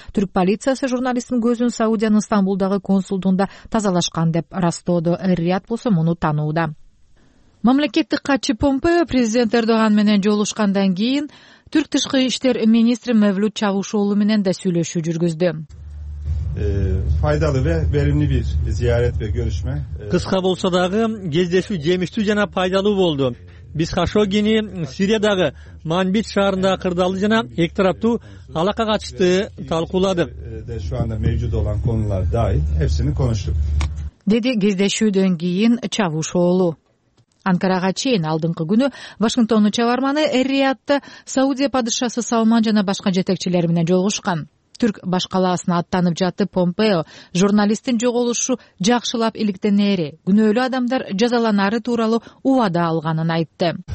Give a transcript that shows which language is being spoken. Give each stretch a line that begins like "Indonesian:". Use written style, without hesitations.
Kyrgyz: Түрк полициясы журналисттин көзүн Саудиянын Стамбулдагы консулдугунда тазалашкан деп ырастоодо. Рият болсо муну таанууда. Мамлекеттик катчы Помпео президент Эрдоган менен жолугушкандан кийин Түрк тышкы иштер министри Мевлют Чавушоглу менен да сүйлөшүү жүргүздү.
Turkish: Faydalı ve verimli bir ziyaret ve görüşme.
Kyrgyz: Кыска болсо дагы, кездешүү жемиштүү жана пайдалуу болду. Биз Хашогини Сириядагы Манбит шаарында кырдаалды жана эки тараптуу алака катышты талкууладык.
Turkish: Şu anda mevcut olan konular dahil hepsini konuştuk.
Kyrgyz: Деди кездешүүдөн кийин Чавушоглу. Анкарага чейин алдыңкы күнү Вашингтондун чабарманы Эр-Риядта Саудия падышасы Салман жана башка жетекчилер менен жолугушкан. Түрк башкалаасына аттанып жатып Помпео журналисттин жоголушу жакшылап иликтенери, күнөөлүү адамдар жазаланары тууралуу убада алганын айтты.